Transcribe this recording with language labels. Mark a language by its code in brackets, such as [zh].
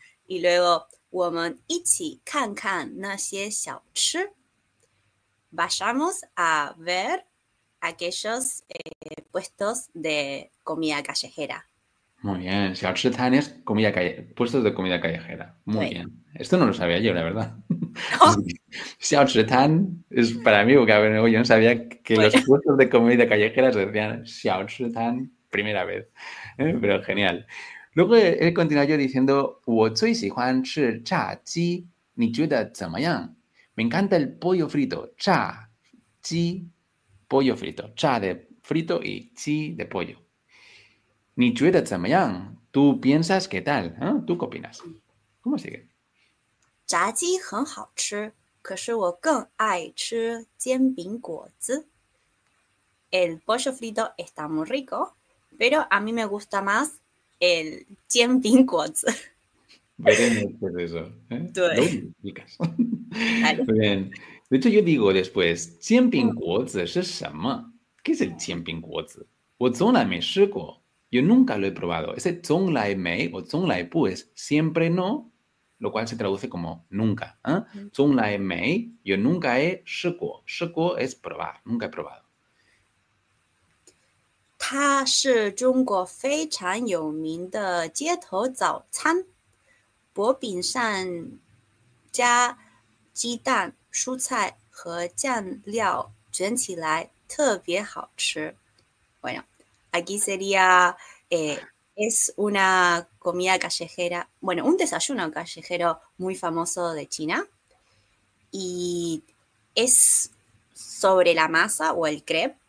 [es] Y luego, [zh] 我们一起看看那些小吃. [es] Vayamos a ver aquellos puestos de comida callejera. Muy bien. Si al ser tan es comida calle, puestos de comida callejera. Muy Sí. bien. Esto no lo sabía yo, la verdad. ¿No? Xiao Shi Tan es para mí, porque a ver, yo no sabía que Bueno. los puestos de comida callejera se decían Xiao Shi Tan, primera vez, ¿eh? Pero genial. Luego he continuado yo diciendo, me encanta el pollo frito, cha, chi, pollo frito, cha de frito y chi de pollo. Ni tú piensas qué tal, ¿eh? ¿Tú qué opinas? ¿Cómo sigue? [zh] 炸鸡很好吃，可是我更爱吃煎饼果子。 [es] El pollo frito está muy rico, pero a mí me gusta más el煎饼果子。 Veremos qué es eso, ¿eh? Luego me [zh] 对， [es] explicas. Muy [zh] 咋 [es] bien. De hecho, yo digo después, ¿qué es el qianpingguozi? Yo nunca lo he probado. Ese zonglai mei o zonglai pu es siempre no, lo cual se traduce como nunca. Zonglai mei, yo nunca he shiguo. Shiguo es probar, nunca he probado. [zh] 它是中国非常有名的街头早餐，薄饼上加鸡蛋、蔬菜和酱料卷起来，特别好吃。 [es] Bueno, aquí sería, es una comida callejera, bueno, un desayuno callejero muy famoso de China y es sobre la masa o el crepe.